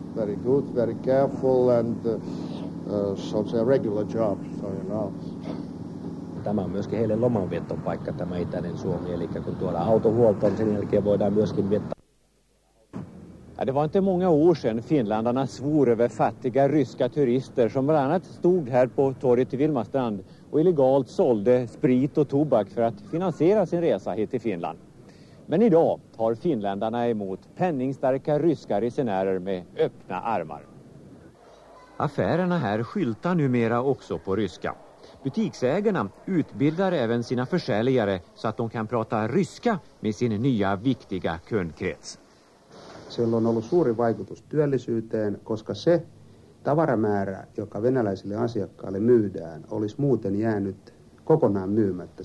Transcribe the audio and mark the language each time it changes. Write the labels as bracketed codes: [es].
[en] Very good, very careful and such a regular job, so you know. [fi] Tämä on myöskin heille lomanviettopaikka, tämä itäinen Suomi, eli kun tuodaan autohuolto, sen jälkeen voidaan myöskin viettää. [sv] Ja, det var inte många år sedan finländarna svor över fattiga ryska turister som bland annat stod här på torget i Vilmastrand och illegalt sålde sprit och tobak för att finansiera sin resa hit till Finland. Men idag tar finländarna emot penningstarka ryska resenärer med öppna armar. Affärerna här skyltar numera också på ryska. Butiksägarna utbildar även sina försäljare så att de kan prata ryska med sin nya viktiga kundkrets. [fi] Sillä on ollut suuri vaikutus työllisyyteen, koska se tavaramäärä, joka venäläisille asiakkaille myydään, olisi muuten jäänyt kokonaan myymättä.